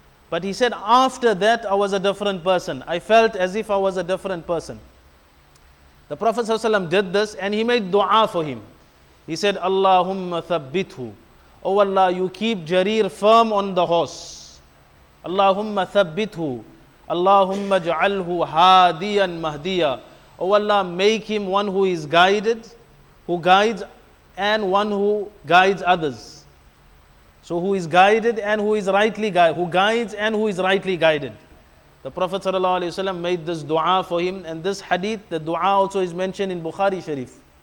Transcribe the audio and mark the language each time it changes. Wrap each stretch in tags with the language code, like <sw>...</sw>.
<en>But he said, after that I was a different person. I felt as if I was a different person. The Prophet ﷺ did this and he made dua for him. He said,</en> <ar>Allahumma thabbithu.</ar> <en>Oh Allah, you keep Jarir firm on the horse.</en> <ar>اللهم ثبته اللهم اجعله هاديا مهديا.</ar> <en>Oh Allah, make him one who is guided, who guides, and one who guides others. So who is guided and who is rightly guided, who guides and who is rightly guided. The Prophet sallallahu alaihi wasallam made this dua for him, and this hadith, the dua also is mentioned in Bukhari Sharif.</en>